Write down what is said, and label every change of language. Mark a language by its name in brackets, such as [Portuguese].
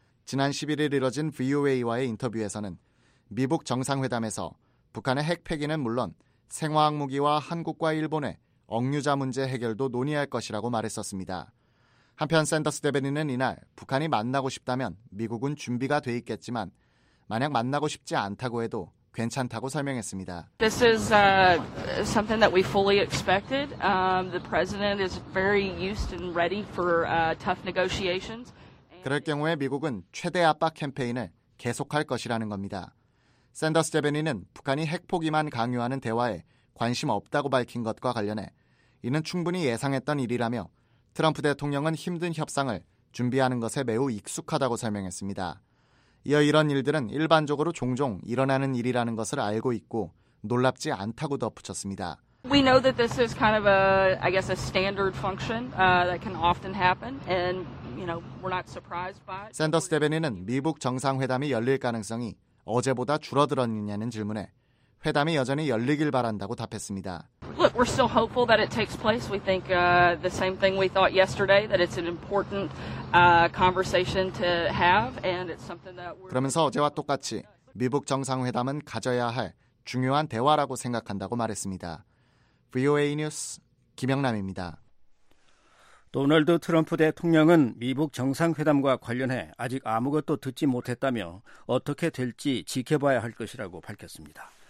[Korean] 지난 11일 이뤄진 VOA와의 인터뷰에서는 미북 정상회담에서 북한의 핵 폐기는 물론 생화학무기와 한국과 일본의 억류자 문제 해결도 논의할 것이라고 말했었습니다. 한편 샌더스 대변인은 이날 북한이 만나고 싶다면 미국은 준비가 돼 있겠지만 만약 만나고 싶지 않다고 해도 괜찮다고 설명했습니다. [English] This is something that we fully expected. The president is very used and ready for tough negotiations. [Korean] 그럴 경우에 미국은 최대 압박 캠페인을 계속할 것이라는 겁니다. 샌더스 제베니는 북한이 핵 포기만 강요하는 대화에 관심 없다고 밝힌 것과 관련해 이는 충분히 예상했던 일이라며 트럼프 대통령은 힘든 협상을 준비하는 것에 매우 익숙하다고 설명했습니다. 이어 이런 일들은 일반적으로 종종 일어나는 일이라는 것을 알고 있고 놀랍지 않다고 덧붙였습니다. [English] We know that this is kind of a, I guess, a standard function that can often happen, and you know, we're not surprised by it. [Korean] 샌더스 대변인은 미북 정상회담이 열릴 가능성이 어제보다 줄어들었느냐는 질문에 회담이 여전히 열리길 바란다고 답했습니다. [English] Look, we're still hopeful that it takes place. We think the same thing we thought yesterday, that it's an important conversation to have, and it's something that we're. [Korean] 그러면서 어제와 똑같이 미북 정상회담은 가져야 할 중요한 대화라고 생각한다고 말했습니다. VOA 뉴스 김영남입니다. 도널드 트럼프 대통령은 미북 정상회담과 관련해 아직 아무것도 듣지 못했다며 어떻게 될지 지켜봐야 할 것이라고 밝혔습니다.